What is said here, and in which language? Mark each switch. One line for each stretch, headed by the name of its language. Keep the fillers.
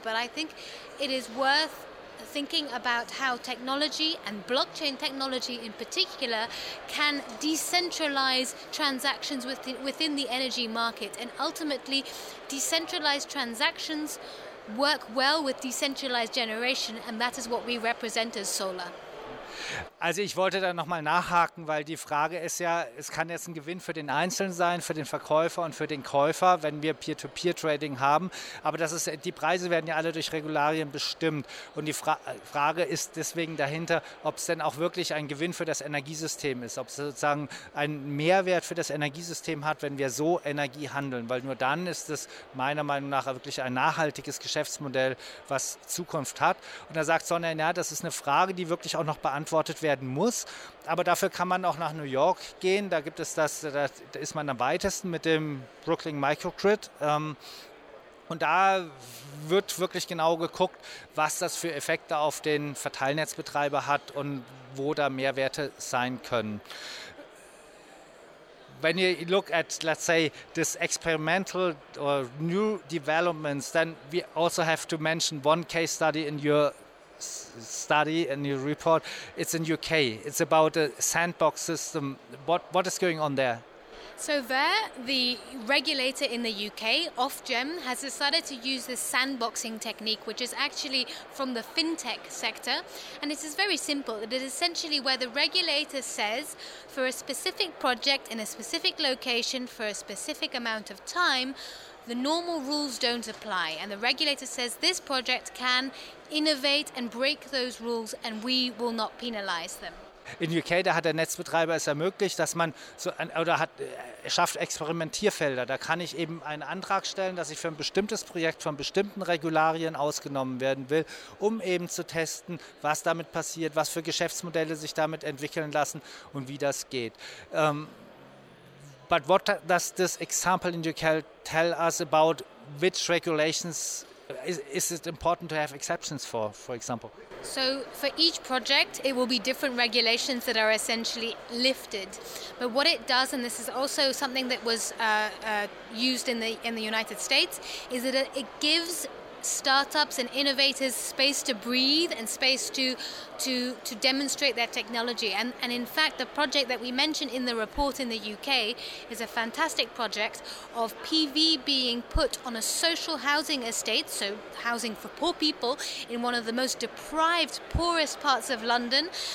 English: But I think it is worth thinking about how technology and blockchain technology in particular can decentralize transactions within, within the energy market and ultimately decentralized transactions work well with decentralized generation and that is what we represent as solar.
German: Also ich wollte da nochmal nachhaken, weil die Frage ist ja, es kann jetzt ein Gewinn für den Einzelnen sein, für den Verkäufer und für den Käufer, wenn wir Peer-to-Peer-Trading haben. Aber das ist, die Preise werden ja alle durch Regularien bestimmt. Und die Fra Frage ist deswegen dahinter, ob es denn auch wirklich ein Gewinn für das Energiesystem ist, ob es sozusagen einen Mehrwert für das Energiesystem hat, wenn wir so Energie handeln. Weil nur dann ist es meiner Meinung nach wirklich ein nachhaltiges Geschäftsmodell, was Zukunft hat. Und da sagt Sonja, ja, das ist eine Frage, die wirklich auch noch beantwortet werden muss. Aber dafür kann man auch nach New York gehen. Da gibt es das, da ist man am weitesten mit dem Brooklyn Microgrid. und da wird wirklich genau geguckt, was das für Effekte auf den Verteilnetzbetreiber hat und wo da Mehrwerte sein können.
English: When you look at, let's say, this experimental or new developments, then we also have to mention one case study in your study and your report. It's in UK. It's about a sandbox system. What what is going on there? So there, the regulator in the UK, Ofgem, has decided to use this sandboxing technique, which is actually from the fintech sector, and it is very simple. It is essentially where the regulator says, for a specific project in a specific location for a specific amount of time, the normal rules don't apply, and the regulator says this project can innovate and break those rules, and we will not penalize them.
German: In UK, da hat der Netzbetreiber es ermöglicht, dass man so ein, oder hat, schafft Experimentierfelder. Da kann ich eben einen Antrag stellen, dass ich für ein bestimmtes Projekt von bestimmten Regularien ausgenommen werden will, um eben zu testen, was damit passiert, was für Geschäftsmodelle sich damit entwickeln lassen und wie das geht.
English: Ähm, but what does this example in UK tell us about which regulations is, is, it important to have exceptions for, for example? So, for each project, it will be different regulations that are essentially lifted. But what it does, and this is also something that was uh, uh, used in the in the United States, is that it gives startups and innovators space to breathe and space to to to demonstrate their technology and and in fact the project that we mentioned in the report in the UK is a fantastic project of PV being put on a social housing estate so housing for poor people in one of the most deprived poorest parts of London